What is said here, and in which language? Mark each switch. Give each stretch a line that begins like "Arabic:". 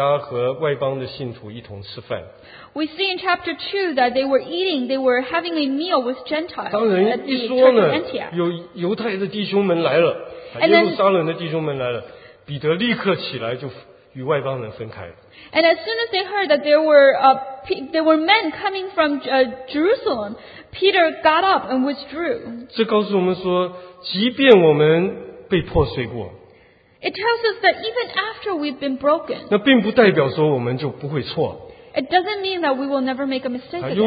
Chinese: 在第二章里面，我们看见他们在安提阿和外邦的信徒一同吃饭。
English: We see in chapter 2 that they were eating, they were having a meal with Gentiles.
Chinese: 当人一说呢，有犹太的弟兄们来了，耶路撒冷的弟兄们来了。彼得立刻起来就与外邦人分开。
English: And as soon as they heard that there were men coming from Jerusalem, Peter got up and withdrew.
Chinese: 这告诉我们说，即便我们被破碎过。
English: It tells us that even after we've been broken.
Chinese: 那并不代表说我们就不会错。
English: It doesn't mean that we will never make a mistake.